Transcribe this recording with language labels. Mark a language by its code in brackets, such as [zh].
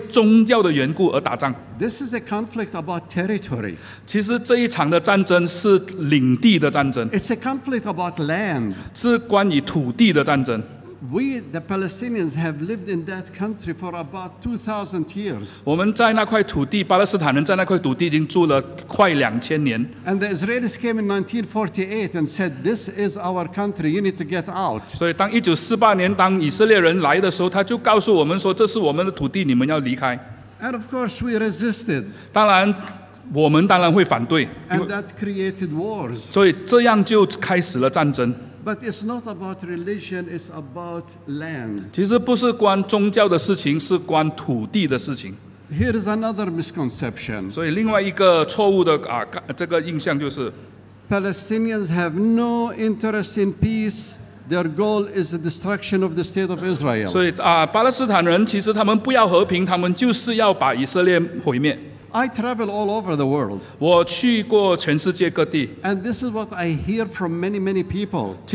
[zh] 回教这个犹太教跟伊斯兰教，他们不是因为宗教的缘故而打仗。 [en] This is a conflict about territory. [zh] 其实这一场的战争是领地的战争。 [en] It's a conflict about land. [zh] 是关于土地的战争。 [en] We, the Palestinians, have lived in that country for about 2,000 years. [zh] 我们在那块土地，巴勒斯坦人在那块土地已经住了快2000年。 [en] And the Israelis came in 1948 and said, "This is our country. You need to get out." [zh] 所以，当1948年，当以色列人来的时候，他就告诉我们说，这是我们的土地，你们要离开。 [en] And of course, we resisted. [zh] 当然，我们当然会反对。 [en] And that created wars. [zh] 所以，这样就开始了战争。 [en] But it's not about religion; it's about land. [zh] 其实不是关宗教的事情，是关土地的事情。 [en] Here is another misconception. [zh] 所以另外一个错误的这个印象就是， [en] Palestinians have no interest in peace. Their goal is the destruction of the state of Israel. [zh] 所以巴勒斯坦人其实他们不要和平，他们就是要把以色列毁灭。 [en] I travel all over the world. [zh] 我去过全世界各地。 [en] And this is what I hear from many, many people.